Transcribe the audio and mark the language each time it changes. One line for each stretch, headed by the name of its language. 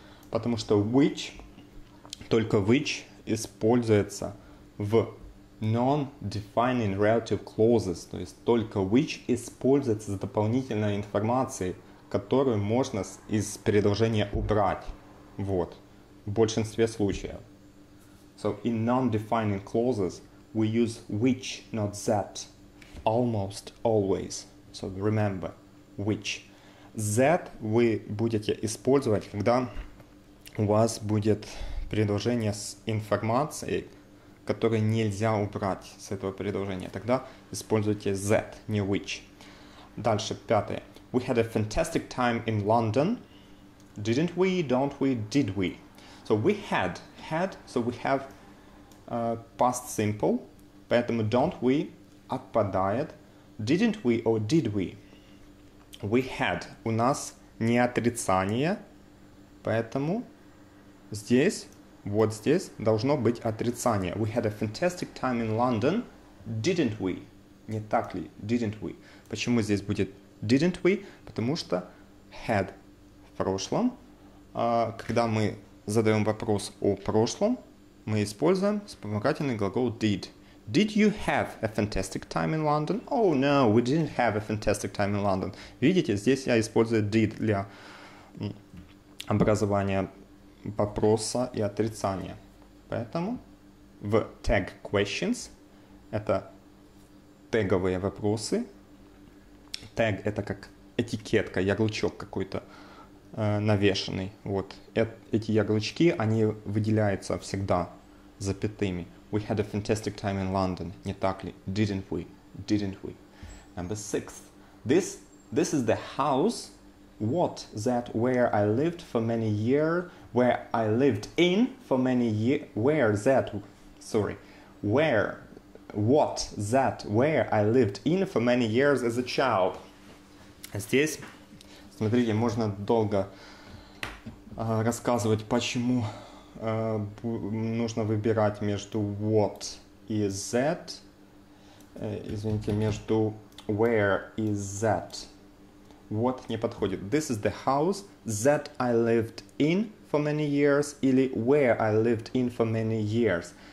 Russian: Потому что which, только which используется в
English: non-defining relative clauses.
Russian: То есть только which используется за дополнительной информацией, которую можно из предложения убрать. Вот. В большинстве случаев.
English: So in non-defining clauses, we use which, not that, almost always. So remember, which.
Russian: That вы будете использовать, когда у вас будет предложение с информацией, которую нельзя убрать с этого предложения. Тогда используйте that, не which. Дальше, пятое.
English: We had a fantastic time in London. Didn't we, don't we, did we? So we had, had, so we have past simple.
Russian: Поэтому
English: don't we
Russian: отпадает.
English: Didn't we or did we? We had.
Russian: У нас не отрицание. Поэтому здесь, вот здесь, должно быть отрицание.
English: We had a fantastic time in London. Didn't we?
Russian: Не так ли?
English: Didn't we?
Russian: Почему здесь будет didn't we? Потому что had в прошлом. Когда мы задаем вопрос о прошлом, мы используем вспомогательный глагол did.
English: Did you have a fantastic time in London? Oh no, we didn't have a fantastic time in London.
Russian: Видите, здесь я использую did для образования вопроса и отрицания. Поэтому в
English: tag questions,
Russian: это теговые вопросы. Tag это как этикетка, ярлычок какой-то навешанный. Вот эти ярлычки, они выделяются всегда запятыми.
English: We had a fantastic time in London.
Russian: Не так ли?
English: Didn't we? Didn't we? Number six. This is the house. What? That where I lived for many years. Where I lived in for many years. Where that? Sorry. Where? What? That where I lived in for many years as a child.
Russian: Здесь, смотрите, можно долго рассказывать, почему нужно выбирать между what и that, извините, между where и that. What не подходит.
English: This is the house that I lived in for many years
Russian: или
English: where I lived in for many years.